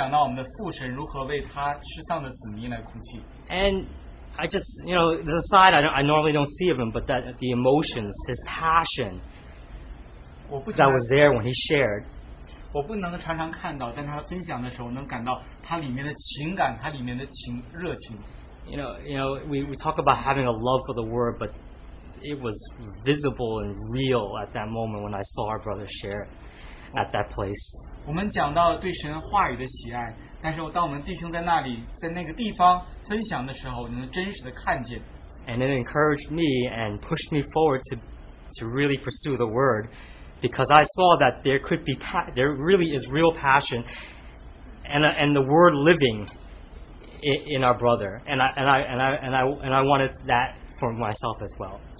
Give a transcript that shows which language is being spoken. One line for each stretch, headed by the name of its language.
Chinese: 把这些圣经的不同地方都连接起来，讲到大卫如何为他的儿子亚撒龙来哭泣的时候，也讲到我们的父神如何为他失丧的子民来哭泣。
English: And I just, you know, the side I normally don't see of him, but that the emotions, his passion, that was there when he shared.
Chinese: 我不能常常看到，但他分享的时候能感到他里面的情感，他里面的情热情。
English: You know, we talk about having a love for the word, but it was visible and real at that moment when I saw our brother share at that place.
Chinese: 我们讲到对神话语的喜爱，但是当我们弟兄在那里，在那个地方分享的时候，你能真实的看见。
English: And it encouraged me and pushed me forward to really pursue the word, because I saw that there could be there really is real passion, and the word living in our brother, and I wanted that for myself as well.